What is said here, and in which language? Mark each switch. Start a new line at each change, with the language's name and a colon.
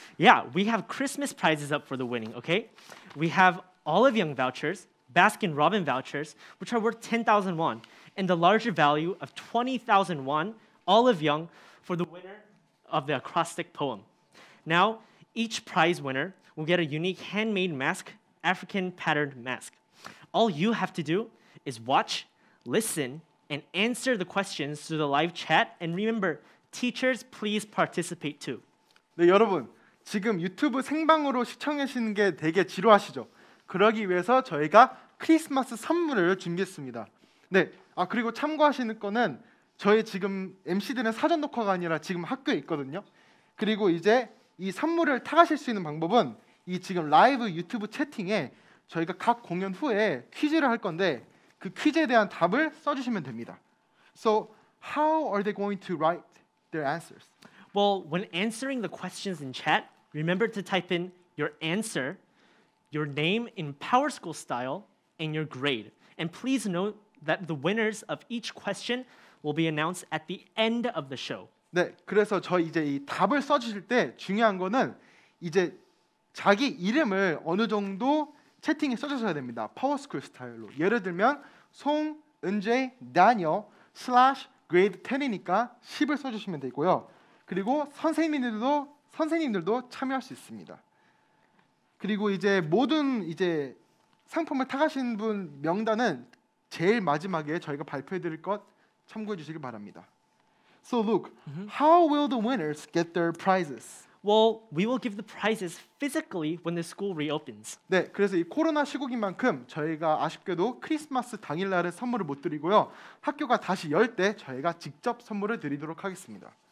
English: Yeah, we have Christmas prizes up for the winning, okay? We have Olive Young vouchers, Baskin Robin vouchers, which are worth 10,000 won, and the larger value of 20,000 won, Olive Young, for the winner of the acrostic poem. Now, each prize winner will get a unique handmade mask, African patterned mask. All you have to do is watch, listen, and answer the questions through the live chat. And remember, teachers, please participate too.
Korean: 네, 여러분, 지금 유튜브 생방으로 시청하시는 게 되게 지루하시죠? 그러기 위해서 저희가 크리스마스 선물을 준비했습니다. 네, 아 그리고 참고하시는 거는 저희 지금 MC들은 사전 녹화가 아니라 지금 학교에 있거든요. 그리고 이제 이 선물을 타가실 수 있는 방법은 이 지금 라이브 유튜브 채팅에 저희가 각 공연 후에 퀴즈를 할 건데 그 퀴즈에 대한 답을 써주시면 됩니다.
English: So, how are they going to write their answers? Well, when answering the questions in chat, remember to type in your answer, your name in Power School style, and your grade. And please note that the winners of each question will be announced at the end of the show.
Korean: 네, 그래서 저 이제 이 답을 써주실 때 중요한 거는 이제 자기 이름을 어느 정도 채팅에 써주셔야 됩니다. 파워스쿨 스타일로. 예를 들면 송, 은재, 다니엘,
English: slash, grade
Korean: 10이니까 10을 써주시면 되고요. 그리고 선생님들도 참여할 수 있습니다. 그리고 이제 모든 이제 상품을 타가신 분 명단은 제일 마지막에 저희가 발표해드릴 것 참고해 주시길 바랍니다.
English: So Luke, how will the winners get their prizes? Well, we will give the prizes physically when the school reopens.
Korean: 네, 그래서 이 코로나 시국인 만큼 저희가 아쉽게도 크리스마스 당일날은 선물을 못 드리고요. 학교가 다시 열 때 저희가 직접 선물을 드리도록 하겠습니다.